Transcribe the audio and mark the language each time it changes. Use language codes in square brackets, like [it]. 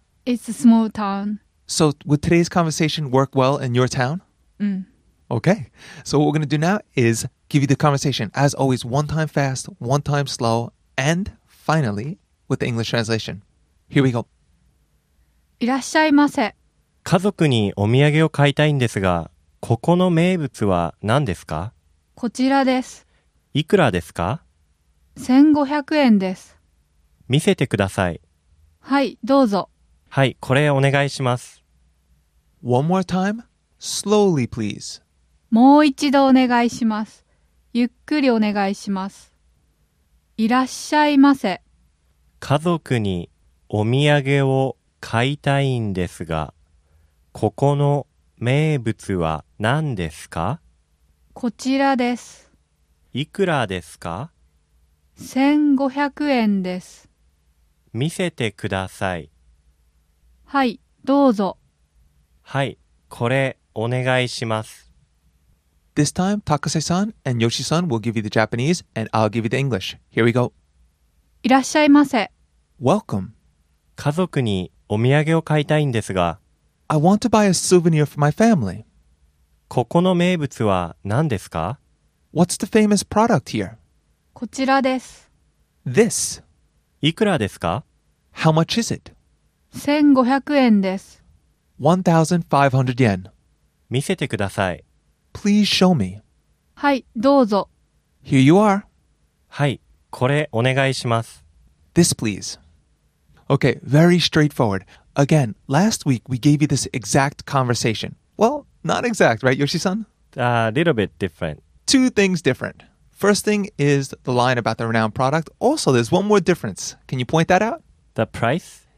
[en] It's a small town. So would today's conversation work well in your town? Mm. Okay. So what we're going to do now is give you the conversation. As always, one time fast, one time slow, and finally, with the English translation. Here we go. [ja] いらっしゃいませ。家族にお土産を買いたいんですが、ここの名物は何ですか？こちらです。いくらですか？ 1500円です。見せてください。はい、どうぞ。はい、これお願いします。 [en] One more time, slowly please. [ja] もう一度お願いします。ゆっくりお願いします。いらっしゃいませ。家族にお土産を買いたいんですが、ここの名物は何ですか？こちらです。いくらですか？ 1500円です。見せてください。はい、どうぞ。はい、これお願いします。 [en] This time, Takase-san and Yoshi-san will give you the Japanese and I'll give you the English. Here we go. [ja] いらっしゃいませ。 [en] Welcome. [ja] 家族にお土産を買いたいんですが。 [en] I want to buy a souvenir for my family. [ja] ここの名物は何ですか? [en] What's the famous product here? [ja] こちらです。 [en] This. [ja] いくらですか? [en] How much is it? [ja] 1500円です。 [en] 1500 yen. [ja] 見せてください。 [en] Please show me. [ja] はい、どうぞ。 [en] Here you are. [ja] はい、これお願いします。 [en] This please. Okay, very straightforward. Again, last week we gave you this exact conversation. Well, not exact, right, Yoshi-san? A little bit different. Two things different. First thing is the line about the renowned product. Also, there's one more difference. Can you point that out? The price?